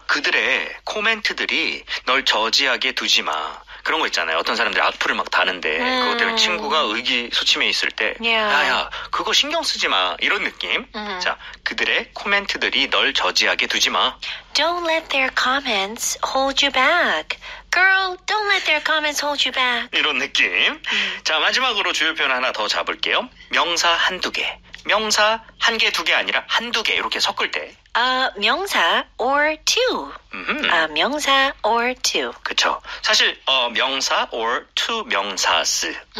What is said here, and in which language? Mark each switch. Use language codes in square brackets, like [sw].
[ko] 그들의 코멘트들이 널 저지하게 두지 마. 그런 거 있잖아요. 어떤 사람들이 악플을 막 다는데 그것 때문에 친구가 의기소침해 있을 때 나야 그거 신경 쓰지 마 이런 느낌. 자, 그들의 코멘트들이 널 저지하게 두지 마. [en] Don't let their comments hold you back. Girl, don't let their comments hold you back. [ko] 이런 느낌. 자, 마지막으로 주요 표현 하나 더 잡을게요. 명사 한두 개. 명사 한 개, 두 개 아니라 한두 개 이렇게 섞을 때 [en] 명사 or two. 명사 or two. [ko] 그렇죠. 사실 명사 [en] or two [ko] 명사스.